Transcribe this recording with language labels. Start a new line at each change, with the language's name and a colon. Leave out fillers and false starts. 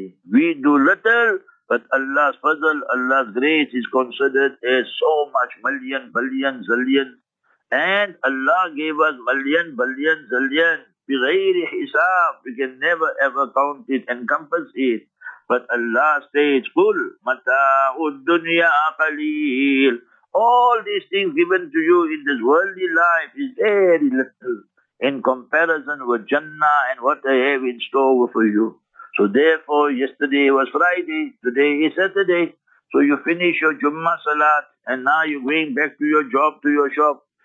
English: We do little, but Allah's fazl, Allah's grace is considered as so much, million, billion, zillion. And Allah gave us million, billion, zillion.
Arabic: بِغَيْرِ حِسَاب.
English: We can never ever count it, encompass it. But Allah says,
Arabic: قُلْ مَتَاعُ الدُّنْيَا قَلِيلٌ.
English: All these things given to you in this worldly life is very little in comparison with Jannah and what I have in store for you. So therefore, yesterday was Friday, today is Saturday. So you finish your Jummah Salat, and now you're going back to your job, to your shop.